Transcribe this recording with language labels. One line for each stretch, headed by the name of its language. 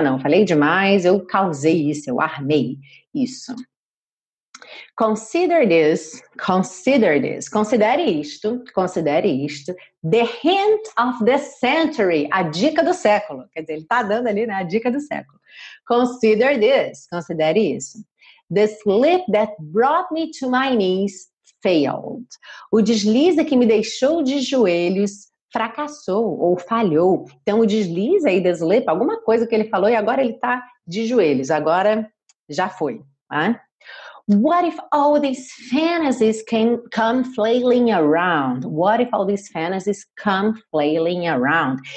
Portuguese: Não, falei demais, eu causei isso, eu armei isso.
English: Consider this, consider this.
Portuguese: Considere isto,
English: the hint of the century,
Portuguese: a dica do século. Quer dizer, ele tá dando ali, né, a dica do século.
English: Consider this,
Portuguese: considere isso.
English: The slip that brought me to my knees failed.
Portuguese: O deslize que me deixou de joelhos fracassou ou falhou. Então, o deslize aí,
English: the slip,
Portuguese: alguma coisa que ele falou e agora ele tá de joelhos. Agora, já foi.
English: Huh? What if all these fantasies come flailing around? What if all these fantasies come flailing around?